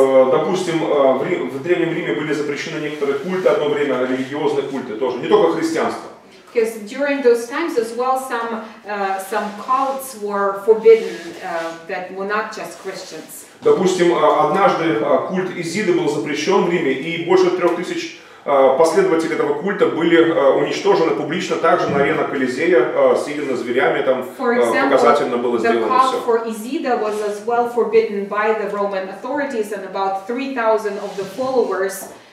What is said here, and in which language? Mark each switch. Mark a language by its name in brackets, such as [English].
[Russian] допустим, в Древнем Риме были запрещены некоторые культы одно время, религиозные культы тоже, не только христианство. [English] Because during those times as well, some cults were forbidden that were not just Christians. [Russian] Допустим, однажды культ Изиды был запрещен в Риме, и больше 3000 последователей этого культа были уничтожены публично, также на арене Колизея, съедены зверями, там показательно было сделано все. [English] For example, the cult for Изида was as well forbidden by the Roman authorities, and about 3000 of the followers.